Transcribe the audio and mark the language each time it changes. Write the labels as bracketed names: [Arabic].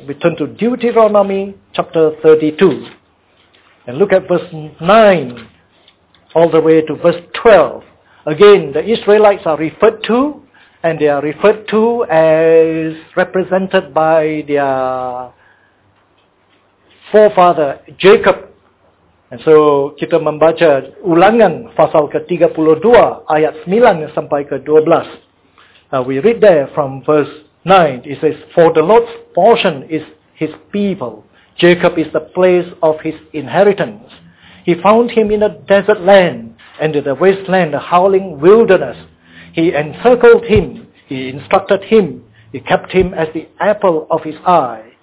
[English] We turn to Deuteronomy chapter 32. And look at verse 9 all the way to verse 12. Again, the Israelites are referred to, and they are referred to as represented by their forefather, Jacob. And so, [Indonesian] kita membaca Ulangan pasal ke-32 ayat 9 sampai ke-12. [English] We read there from verse 9. It says, "For the Lord's portion is his people. Jacob is the place of his inheritance. He found him in a desert land, and in the wasteland, a howling wilderness. He encircled him. He instructed him. He kept him as the apple of his eye."